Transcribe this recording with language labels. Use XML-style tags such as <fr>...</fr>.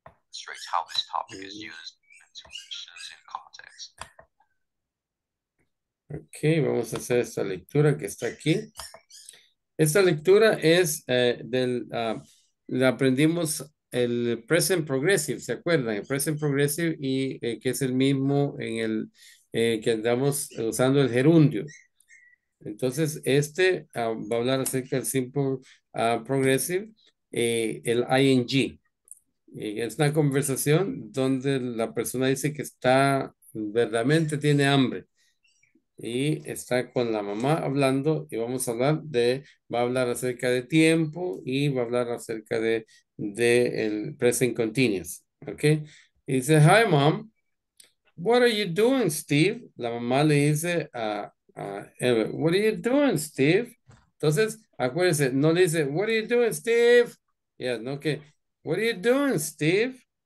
<en>Straight how this topic is used in situations in context.</en> <es>Ok, vamos a hacer esta lectura que está aquí. Esta lectura es la aprendimos el present progressive, ¿se acuerdan? El present progressive y que es el mismo en el que andamos usando el gerundio. Entonces, este va a hablar acerca del simple progressive, el ING. Y es una conversación donde la persona dice que está, verdaderamente tiene hambre. Y está con la mamá hablando y vamos a hablar de, va a hablar acerca de tiempo y va a hablar acerca de el present continuous. Okay.</es> <en>He says, hi mom, what are you doing, Steve?</en> <es>La mamá le dice a Eva,</es> <en>what are you doing, Steve?</en> <es>Entonces, acuérdense, no le dice,</es> <en>what are you doing, Steve?</en> <es>Yeah, no, que,</es> <en>what are you doing, Steve?</en>